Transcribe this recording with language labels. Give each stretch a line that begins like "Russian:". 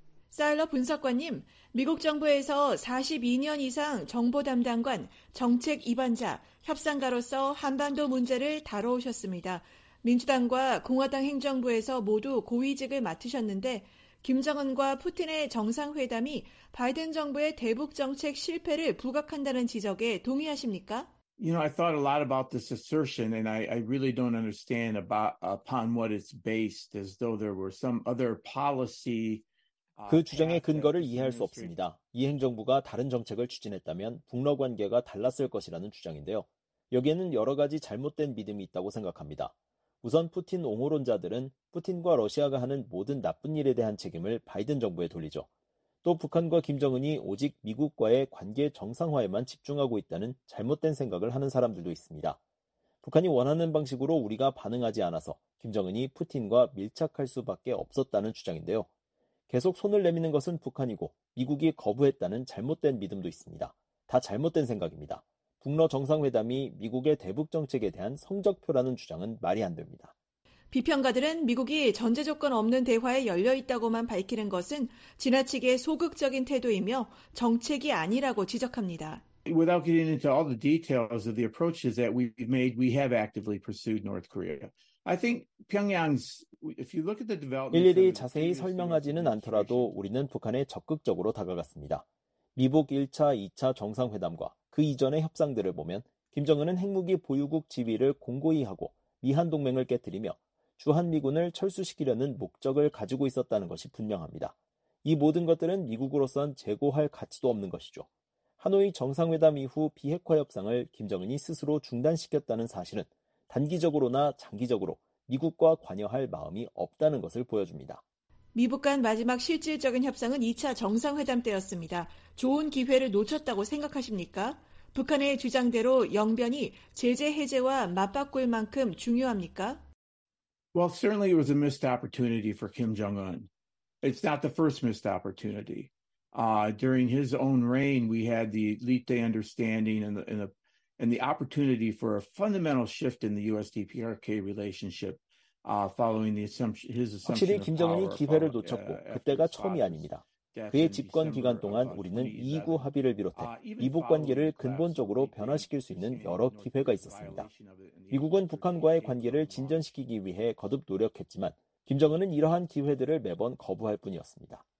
Korean: 사일러 분석관님, 미국 정부에서 42년 이상 정보 담당관, 정책 입안자, 협상가로서 한반도 문제를 다뤄오셨습니다. 민주당과 공화당 행정부에서 모두 고위직을 맡으셨는데 김정은과 푸틴의 정상회담이 바이든 정부의 대북 정책 실패를 부각한다는 지적에 동의하십니까?
English: You know, I thought a lot about this assertion and I really don't understand about upon what it's based as though there were some other policy
Korean: 그 주장의 근거를 이해할 수 없습니다. 이 행정부가 다른 정책을 추진했다면 북러 관계가 달랐을 것이라는 주장인데요. 여기에는 여러 가지 잘못된 믿음이 있다고 생각합니다. 우선 푸틴 옹호론자들은 푸틴과 러시아가 하는 모든 나쁜 일에 대한 책임을 바이든 정부에 돌리죠. 또 북한과 김정은이 오직 미국과의 관계 정상화에만 집중하고 있다는 잘못된 생각을 하는 사람들도 있습니다. 북한이 원하는 방식으로 우리가 반응하지 않아서 김정은이 푸틴과 밀착할 수밖에 없었다는 주장인데요. 계속 손을 내미는 것은 북한이고 미국이 거부했다는 잘못된 믿음도 있습니다. 다 잘못된 생각입니다. 북러 정상회담이 미국의 대북 정책에 대한 성적표라는 주장은 말이 안 됩니다. 비평가들은 미국이 전제조건 없는 대화에 열려있다고만 밝히는 것은 지나치게 소극적인 태도이며 정책이 아니라고 지적합니다.
English: Without getting into all the details of the approaches that we've made, we have actively pursued North Korea. I think Pyongyang's, if you look at the development,
Korean: 일일이 자세히 설명하지는 않더라도 우리는 북한에 적극적으로 다가갔습니다. 미북 1차, 2차 정상회담과 그 이전의 협상들을 보면 김정은은 핵무기 보유국 지위를 공고히 하고 미한동맹을 깨뜨리며 주한미군을 철수시키려는 목적을 가지고 있었다는 것이 분명합니다. 이 모든 것들은 미국으로선 재고할 가치도 없는 것이죠. 하노이 정상회담 이후 비핵화 협상을 김정은이 스스로 중단시켰다는 사실은 단기적으로나 장기적으로 미국과 관여할 마음이 없다는 것을 보여줍니다. 미북 간 마지막 실질적인 협상은 2차 정상회담 때였습니다. 좋은 기회를 놓쳤다고 생각하십니까? 북한의 주장대로 영변이 제재 해제와 맞바꿀 만큼 중요합니까?
English: Well, certainly it was a missed opportunity for Kim Jong-un. It's not the first missed opportunity. During his own reign, we had the Lite understanding and the opportunity for a fundamental shift in the USDPRK relationship following the assumption his assumption.
Korean: 확실히 김정은이 기회를 놓쳤고 그때가 처음이 아닙니다. 그의 집권 기간 동안 우리는 2.9 합의를 비롯해 미북 관계를 근본적으로 변화시킬 수 있는 여러 기회가 있었습니다. 미국은 북한과의 관계를 진전시키기 위해 거듭 노력했지만 김정은은 이러한 기회들을 매번 거부할 뿐이었습니다.